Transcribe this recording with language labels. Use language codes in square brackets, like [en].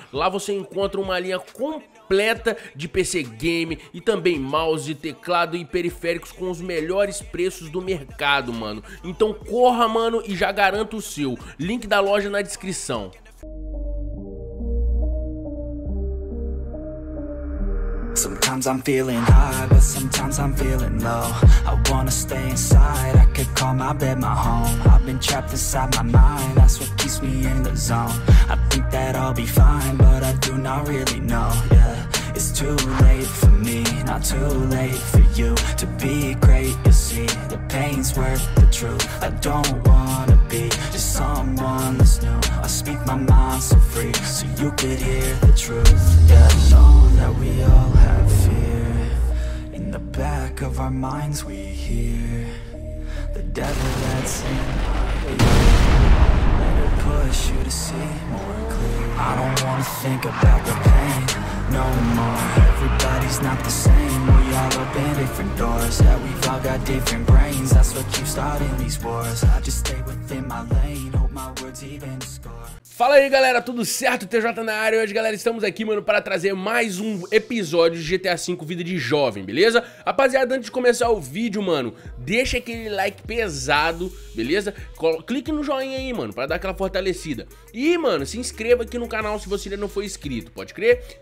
[pt] Lá você encontra uma linha completa de PC game e também mouse, teclado e periféricos com os melhores preços do mercado, mano. Então corra, mano, e já garanta o seu. Link da loja na descrição. [en] Sometimes I'm feeling high, but sometimes I'm feeling low. I wanna stay inside, I could call my bed my home. I've been trapped inside my mind, that's what keeps me in the zone. I think that I'll be fine, but I do not really know. Yeah, it's too late for me, not too late for you. To be great, you see, the pain's worth the truth. I don't wanna be just someone that's new. I speak my mind so free, so you could hear the truth. Yeah, I know that we all have fear. In the back of our minds we hear the devil that's in our ear. Let it push you to see more clear. I don't wanna think about the pain no more. Everybody's not the same. We all open different doors. Yeah, we've all got different brains. That's what keeps starting these wars. I just stay within my lane. Hope my words even score. [pt] Fala aí, galera, tudo certo? TJ na área. Hoje, galera, estamos aqui, mano, para trazer mais um episódio de GTA V Vida de Jovem, beleza? Rapaziada, antes de começar o vídeo, mano, deixa aquele like pesado, beleza? Clique no joinha aí, mano, para dar aquela fortalecida. E, mano, se inscreva aqui no canal se você ainda não for inscrito, pode crer?